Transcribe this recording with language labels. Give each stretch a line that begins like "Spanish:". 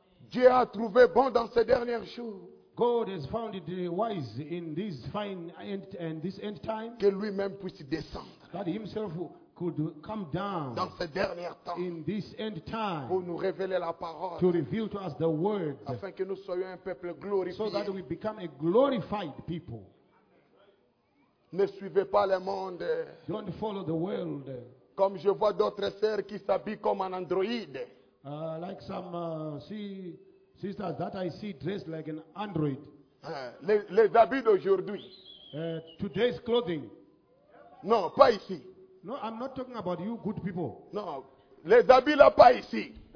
French: Dieu a trouvé bon dans ces derniers jours.
English: God has found it wise in this fine end and this end time.
French: Que lui-même puisse descendre.
English: That himself could come down.
French: Dans ces derniers temps.
English: In this end time.
French: Pour nous révéler la parole.
English: To reveal to us the word.
French: Afin que nous soyons un peuple glorifié.
English: So that we become a glorified people.
French: Ne suivez pas le monde.
English: Don't follow the world.
French: Comme je vois d'autres sœurs qui s'habillent comme un androïde.
English: Like some sisters that I see dressed like an android.
French: Les habits d'aujourd'hui.
English: Today's clothing.
French: Non, pas ici.
English: No, I'm not talking about you good people.
French: No, les habits là pas ici.